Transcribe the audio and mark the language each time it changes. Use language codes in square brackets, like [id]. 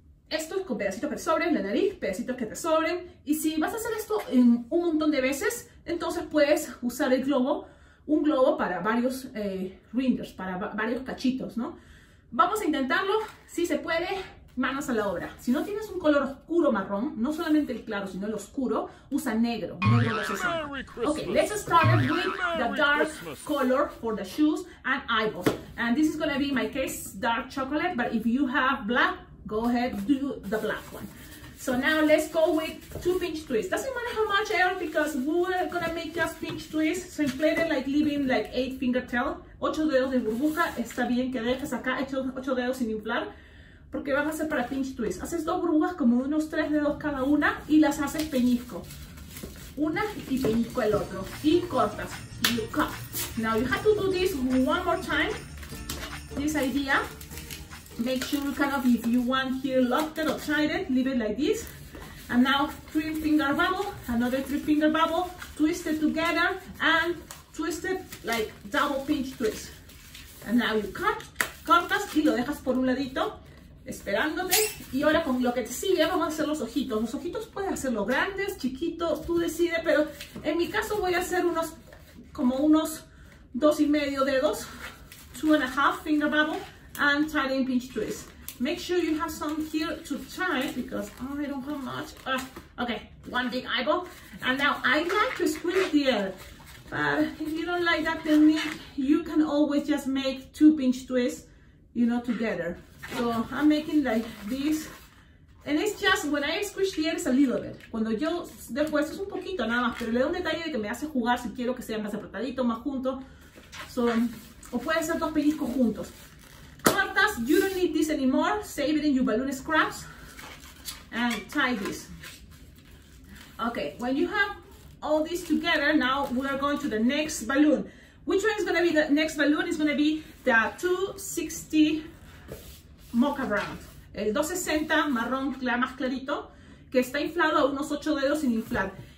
[es] Esto es con pedacitos que te sobren, la nariz, pedacitos que te sobren. Y si vas a hacer esto en un montón de veces, entonces puedes usar el globo, un globo para varios reindeers, para varios cachitos, ¿no? Vamos a intentarlo, si se puede, manos a la obra. Si no tienes un color oscuro marrón, no solamente el claro, sino el oscuro, usa negro, negro de sesión. [en] Ok, let's start with the dark color for the shoes and eyeballs. And this is going to be, in my case, dark chocolate, but if you have black, go ahead, do the black one. So now let's go with two pinch twists. Doesn't matter how much air, because we're gonna make just pinch twists. So inflate it like leaving like 8 fingertail. [es] 8 dedos de burbuja, está bien que dejes acá, hecho 8 dedos sin inflar. Porque vas a hacer para pinch twists. Haces dos burbujas, como unos 3 dedos cada una, y las haces peñisco. Una y peñisco el otro. Y cortas. [en] You cut. Now you have to do this one more time. This idea. Make sure, kind of, if you want here locked or tied it, leave it like this. And now, 3-finger bubble, another 3-finger bubble, twist it together, and twist it like double pinch twist. And now you cut, [es] cortas, y lo dejas por un ladito, esperándote. Y ahora con lo que te sigue, vamos a hacer los ojitos. Los ojitos puedes hacerlos grandes, chiquitos, tú decides, pero en mi caso voy a hacer unos, como unos 2.5 dedos, [en] 2.5-finger bubble, and tie in pinch twist. Make sure you have some here to tie, because I don't have much. Okay, one big eyeball. And now I like to squeeze the air, but if you don't like that technique, you can always just make 2 pinch twists, you know, together. So I'm making like this, and it's just, when I squeeze the air, it's a little bit. [es] Cuando yo, después es un poquito nada más, pero le da un detalle de que me hace jugar si quiero que sea más apretadito, más junto. So, o puede ser dos pellizcos juntos. Cortas, [en] you don't need this anymore, save it in your balloon scraps, and tie this. Okay, when you have all this together, now we are going to the next balloon. Which one is going to be the next balloon? It's going to be the 260 mocha brown. [es] El 260 marrón más clarito, que está inflado a unos 8 dedos sin inflar.